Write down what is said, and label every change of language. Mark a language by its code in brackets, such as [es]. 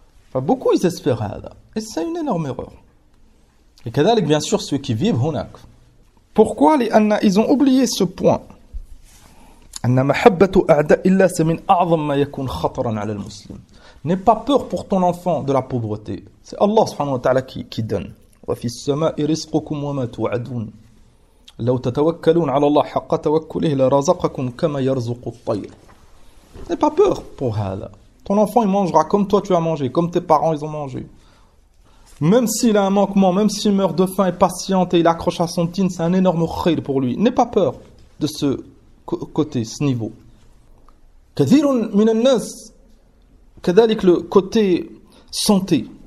[fr] Enfin, beaucoup ils espèrent ça. Et c'est une énorme erreur. Et kadhalik, bien sûr, ceux qui vivent hunak. Pourquoi les anna, ils ont oublié ce point? [ar] Anna mahabbatu a'da illa [fr] c'est [ar] min a'zam ma yakun khataran 'ala al-muslim. [fr] N'aie pas peur pour ton enfant de la pauvreté. C'est [ar] Allah subhanahu wa ta'ala [fr] qui donne. [ar] Wa fi as-sama'i rizqukum wa ma tu'adun. لو تتوكلون على الله حق توكله لرزقكم كما يرزق الطير. [fr] N'aie pas peur pour ça. Ton enfant il mangera comme toi tu as mangé, comme tes parents ils ont mangé. Même s'il a un manquement, même s'il meurt de faim et patiente et il accroche à son tine, c'est un énorme khayr pour lui. N'aie pas peur de ce côté, ce niveau. [ar] Kadhirun min an-nas, kadhalik [fr] le côté santé.